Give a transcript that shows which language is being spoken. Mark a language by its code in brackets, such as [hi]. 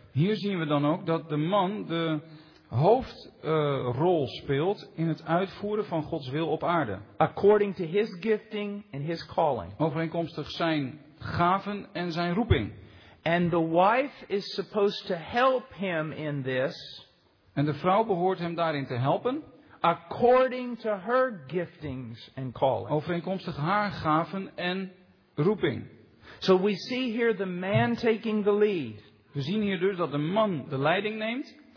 [nl] Hier zien we dan ook dat de man de hoofdrol speelt in het uitvoeren van Gods wil op aarde. [en] According to his gifting and his calling. [nl] Overeenkomstig zijn gaven en zijn roeping. [en] And the wife is supposed to help him in this. [nl] En de vrouw behoort hem daarin te helpen. [en] According to her giftings and calling. [nl] Overeenkomstig haar gaven en roeping. [en] So we see here the man taking the lead. [nl] We zien hier dus dat de man de leiding neemt.